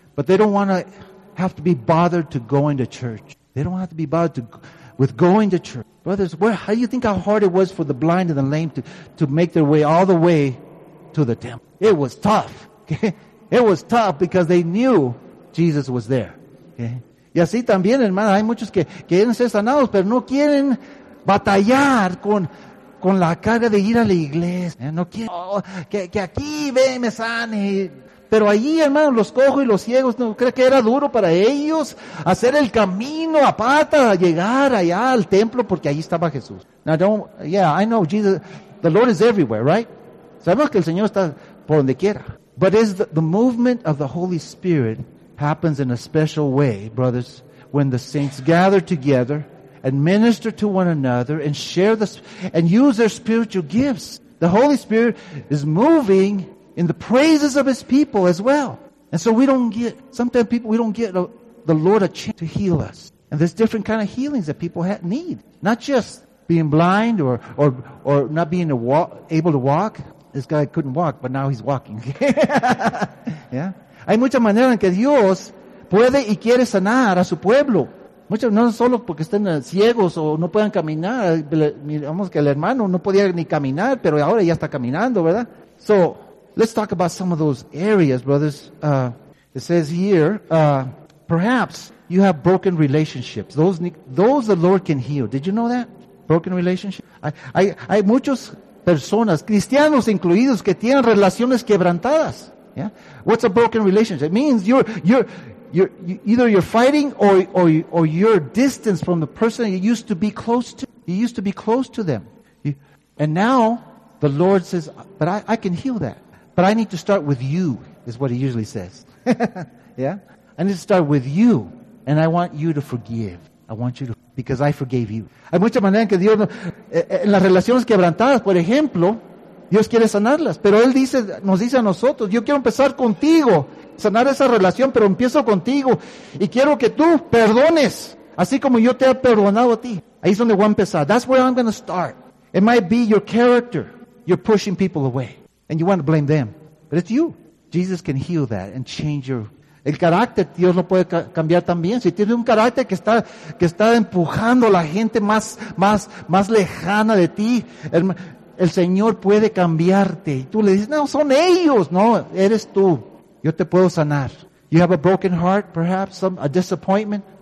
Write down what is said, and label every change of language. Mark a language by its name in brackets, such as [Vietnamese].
[English] But they don't want to have to be bothered to going to church. They don't have to be bothered with going to church. Brothers, how do you think how hard it was for the blind and the lame to make their way all the way to the temple? It was tough. Okay? It was tough because they knew Jesus was there. Okay? [Spanish] Y así también, hermano, hay muchos que quieren ser sanados, pero no quieren batallar con la carga de ir a la iglesia. No quieren que aquí ve y me sane. Pero allí, hermano, los cojos y los ciegos, ¿no cree que era duro para ellos hacer el camino a pata, a llegar allá al templo, porque allí estaba Jesús? [English] I know Jesus, the Lord is everywhere, right? [Spanish] Sabemos que el Señor está por donde quiera. [English] But is the movement of the Holy Spirit happens in a special way, brothers, when the saints gather together and minister to one another and share this and use their spiritual gifts. The Holy Spirit is moving in the praises of His people as well. And so sometimes we don't get the Lord a chance to heal us. And there's different kind of healings that people need. Not just being blind or not being able to walk. This guy couldn't walk, but now he's walking. Yeah? [Spanish] Hay muchas maneras en que Dios puede y quiere sanar a su pueblo. Muchas, no solo porque estén ciegos o no puedan caminar. Miramos que el hermano no podía ni caminar, pero ahora ya está caminando, ¿verdad? [English] So, let's talk about some of those areas, brothers. It says here, perhaps you have broken relationships. Those the Lord can heal. Did you know that? Broken relationships. [Spanish] Hay muchas personas, cristianos incluidos, que tienen relaciones quebrantadas. Yeah? [English] What's a broken relationship? It means either you're fighting or you're distanced from the person you used to be close to. You used to be close to them. And now the Lord says, but I can heal that. But I need to start with you, is what he usually says. Yeah? I need to start with you. And I want you to forgive. I want you to, because I forgave you. [Spanish] Hay muchas maneras que Dios, en las relaciones quebrantadas, por ejemplo, Dios quiere sanarlas. Pero Él dice, nos dice a nosotros, yo quiero empezar contigo, sanar esa relación, pero empiezo contigo. Y quiero que tú perdones, así como yo te he perdonado a ti. Ahí es donde voy a empezar. [English] That's where I'm going to start. It might be your character. You're pushing people away. And you want to blame them. But it's you. Jesus can heal that and change your... [Spanish] El carácter, Dios lo puede cambiar también. Si tienes un carácter que está empujando a la gente más lejana de ti, el Señor puede cambiarte. Y tú le dices, no, son ellos. No, eres tú. Yo te puedo sanar. [English] You have a broken heart, perhaps, a disappointment.